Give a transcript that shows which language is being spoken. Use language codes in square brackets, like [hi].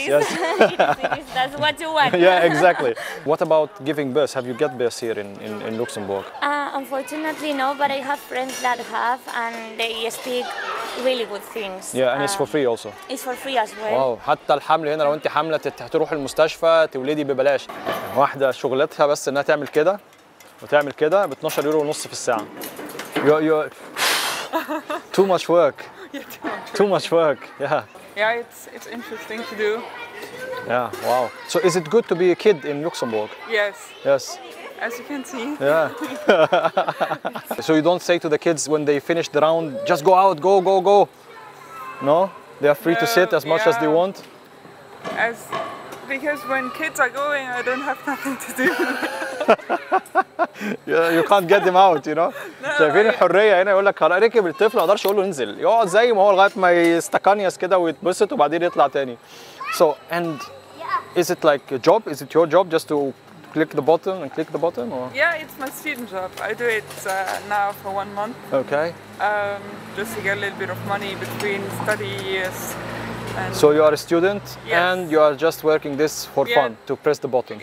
[en] It is. Yes. That's what you want. Yeah, exactly. What about giving birth? Have you got birth here in Luxembourg? Unfortunately, no, but I have friends that have, and they speak really good things. Yeah, and it's for free also. It's for free as well. Wow. [ar] حتى الحمل هنا لو انت حاملة تروح المستشفى تولدي ببلاش. واحدة شغلتها بس انها تعمل كده وتعمل كده ب 12 يورو ونص في الساعة. [en] Too much work. Yeah, too much work. Yeah. Yeah, it's interesting to do. Yeah. Wow. So is it good to be a kid in Luxembourg? Yes. Yes. As you can see. Yeah. So you don't say to the kids when they finish the round, just go out, go. No, they are free to sit as much as they want. As because when kids are going, I don't have nothing to do. Yeah, you can't get them out, you know. [ar] شايفين الحريه هنا يقول لك ركب الطفل ما اقدرش اقول له انزل يقعد زي ما هو لغايه ما يستكانيس كده ويتبسط وبعدين يطلع تاني. [en] So and is it like a job? Is it your job just to click the button and click the button or? Yeah, it's my student job. I do it now for 1 month. Okay. Just to get a little bit of money between study years. And so you are a student and you are just working this for fun to press the buttons.